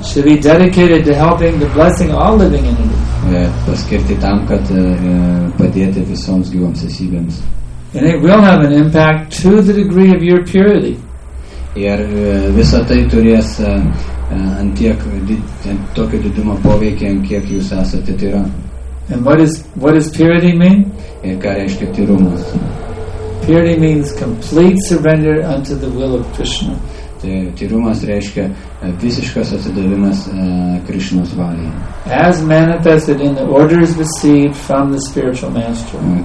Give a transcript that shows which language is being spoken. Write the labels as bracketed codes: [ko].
[en] Should be dedicated to helping the blessing of all living entities. [lt] Paskirti tam, kad padėti visoms gyvoms esybėms. [en] And it will have an impact to the degree of your purity. [lt] Ir visa tai turės ant tiek tokio didumo poveikį, kiek jūs esate tyra. [en] And what is purity mean? [lt] Ir ką reiškia tyrumas? [en] Purity means complete surrender unto the will of Krishna. [lt] Tai tyrumas reiškia visiškas atsidavimas Krishnos valiai. [en] As manifested in the orders received from the spiritual master.